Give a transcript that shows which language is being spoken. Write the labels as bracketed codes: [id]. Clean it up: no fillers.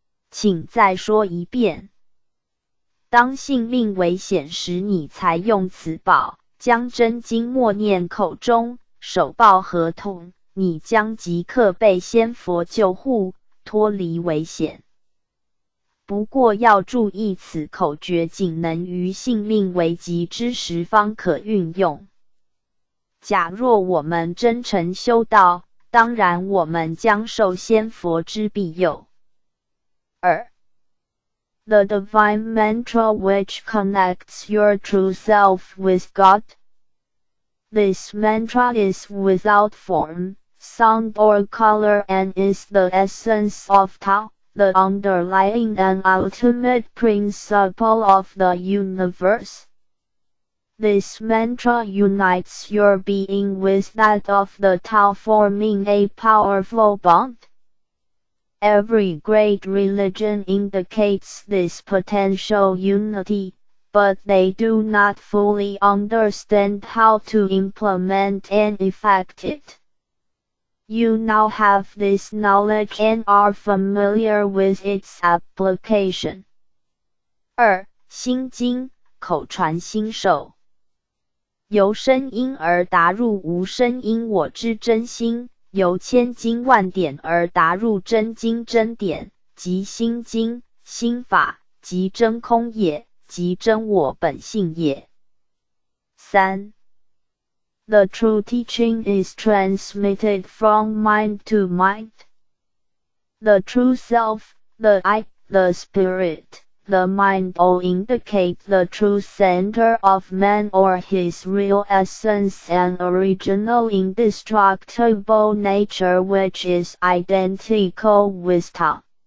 [zh] 请再说一遍。当性命危险时，你才用此宝，将真经默念口中，手抱合同，你将即刻被仙佛救护，脱离危险。不过要注意，此口诀仅能于性命危急之时方可运用。假若我们真诚修道，当然我们将受仙佛之庇佑。 [en] The divine mantra which connects your true self with God. This mantra is without form, sound or color and is the essence of Tao, the underlying and ultimate principle of the universe. This mantra unites your being with that of the Tao, forming a powerful bond. Every great religion indicates this potential unity, but they do not fully understand how to implement and effect it. You now have this knowledge and are familiar with its application. [zh] 二，心经，口传心授。由声音而达入无声音我之真心。由千经万典而达入真经真典，即心经、心法，即真空也，即真我本性也。三 [en] The true teaching is transmitted from mind to mind. The true self, the I, the spirit, the mind all indicate the true center of man or his real essence and original indestructible nature which is identical with Tao.